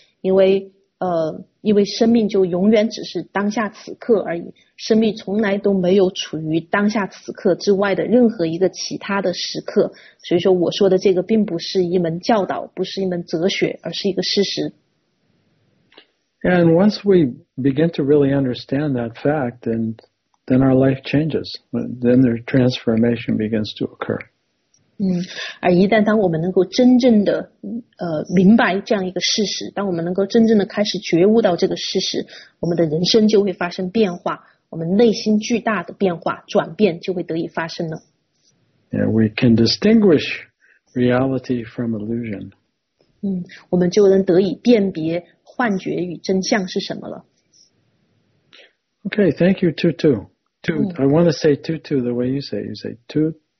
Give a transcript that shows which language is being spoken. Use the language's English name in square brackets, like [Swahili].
[Chinese] 因为生命就永远只是当下此刻而已，生命从来都没有处于当下此刻之外的任何一个其他的时刻。所以说我说的这个并不是一门教导，不是一门哲学，而是一个事实。 [English] And once we begin to really understand that fact, then our life changes. Then their transformation begins to occur. [Chinese] 而一旦当我们能够真正的明白这样一个事实，当我们能够真正的开始觉悟到这个事实，我们的人生就会发生变化，我们内心巨大的变化转变就会得以发生了。 [English] Yeah, we can distinguish reality from illusion. [Chinese] 我们就能得以辨别幻觉与真相是什么了。 [English] Okay, thank you, Tutu. I want to say Tutu the way you say it. You say Tutu.